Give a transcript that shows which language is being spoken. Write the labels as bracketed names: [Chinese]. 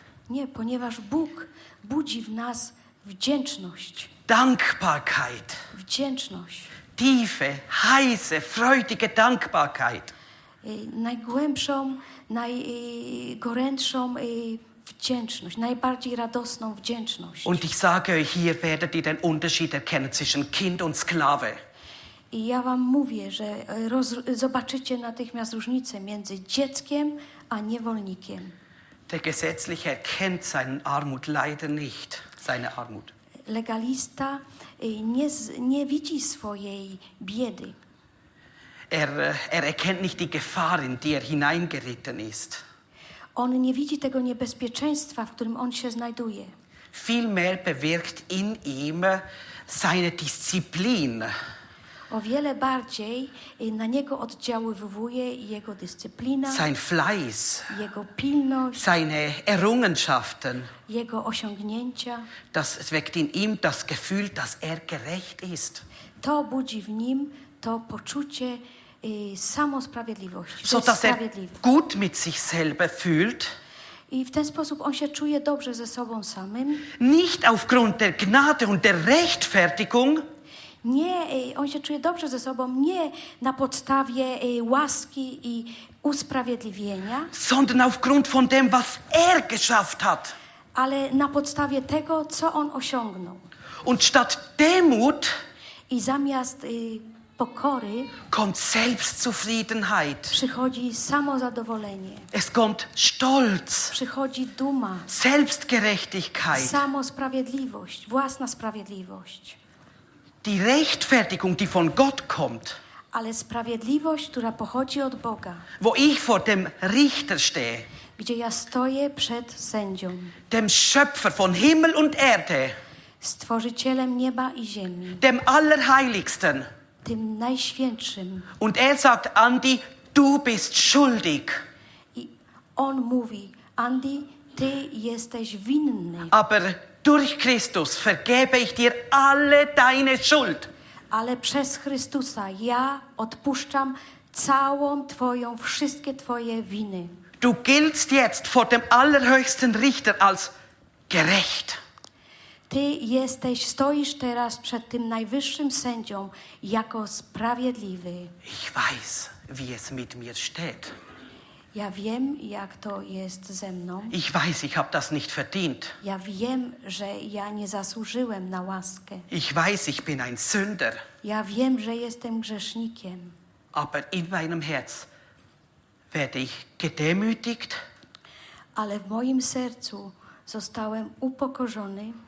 [Polish] Nie, ponieważ Bóg budzi w nas wdzięczność. [German] Dankbarkeit. [Polish] Wdzięczność. [German] Tiefe, heiße, freudige Dankbarkeit. [Polish] Najgłębszą, najgorętszą wdzięczność, najbardziej radosną wdzięczność. [German] Und ich sage euch, hier werdet ihr den Unterschied erkennen zwischen Kind und Sklave. [Polish] I ja wam mówię, że zobaczycie natychmiast różnicę między dzieckiem a niewolnikiem. [German] Der Gesetzliche erkennt seine Armut leider nicht, seine Armut. [Polish] Legalista nie widzi swojej biedy. [German] Er erkennt nicht die Gefahr, in die hineingeritten ist. [Polish] On nie widzi tego niebezpieczeństwa, w którym on się znajduje. [German] Vielmehr bewirkt in ihm seine Disziplin. [Polish] O wiele bardziej na niego oddziaływuje jego dyscyplina. [German] Sein Fleiß. [Polish] Jego pilność. [German] Seine Errungenschaften. [Polish] Jego osiągnięcia. [German] Das weckt in ihm das Gefühl, dass gerecht ist. [Polish] To budzi w nim to poczucie samosprawiedliwości. [German] So, dass gut mit sich selber fühlt. [Polish] I w ten sposób on się czuje dobrze ze sobą samym. [German] Nicht aufgrund der Gnade und der Rechtfertigung. [Polish] Nie, on się czuje dobrze ze sobą nie na podstawie łaski i usprawiedliwienia, [German] sondern aufgrund von dem, was geschafft hat. [Polish] Ale na podstawie tego, co on osiągnął. [German] Und statt Demut [Polish] i zamiast pokory [German] kommt Selbstzufriedenheit. [Polish] Przychodzi samozadowolenie. [German] Es kommt Stolz. [Polish] Przychodzi duma. [German] Selbstgerechtigkeit. [Polish] Samosprawiedliwość, własna sprawiedliwość. [German] Die Rechtfertigung, die von Gott kommt. [Polish] Ale sprawiedliwość, która pochodzi od Boga. [German] Wo ich vor dem Richter stehe. [Polish] Gdzie ja stoję przed sędzią. [German] Dem Schöpfer von Himmel und Erde. [Polish] Stworzycielem nieba i ziemi. [German] Dem Allerheiligsten. [Polish] Tym najświętszym. [German] Und sagt Andy, du bist schuldig. [Polish] I on mówi, Andy, ty jesteś winny. [German] Aber durch Christus vergebe ich dir alle deine Schuld. [Polish] Ale przez Chrystusa ja odpuszczam całą twoją, wszystkie twoje winy. [German] Du giltst jetzt vor dem allerhöchsten Richter als gerecht. [Polish] Ty jesteś, stoisz teraz przed tym najwyższym sędzią jako sprawiedliwy. [German] Ich weiß, wie es mit mir steht. [Polish] Ja wiem, jak to jest ze mną. [German] Ich weiß, ich habe das nicht verdient. [Polish] Ja wiem, że ja nie zasłużyłem na łaskę. [German] Ich weiß, ich bin ein Sünder. [Polish] Ja wiem, że jestem grzesznikiem. [German] Aber in meinem Herz werde ich gedemütigt. [Polish] Ale w moim sercu zostałem upokorzony.